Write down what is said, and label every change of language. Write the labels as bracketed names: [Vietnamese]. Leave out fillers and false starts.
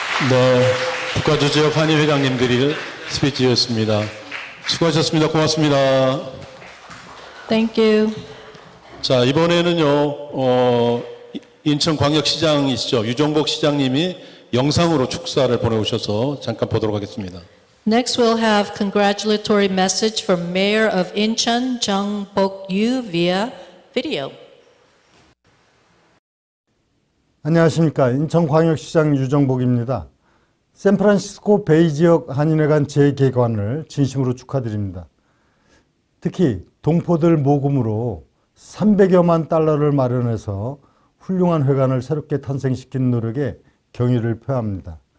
[Korean] 네, 북가주 지역 한인 회장님들이 스피치였습니다. 수고하셨습니다. 고맙습니다. [English] Thank you. [Korean] 자, 이번에는요, 인천광역시장이시죠. 유종복 시장님이 영상으로 축사를 보내오셔서 잠깐 보도록 하겠습니다. [English] Next, we'll have congratulatory message from Mayor of Incheon, Jung Bok Yu, via video. [Korean] 안녕하십니까. 인천광역시장 유정복입니다. 샌프란시스코 베이 지역 한인회관 재개관을 진심으로 축하드립니다. 특히 동포들 모금으로 300여만 달러를 마련해서 훌륭한 회관을 새롭게 탄생시킨 노력에 경의를 표합니다.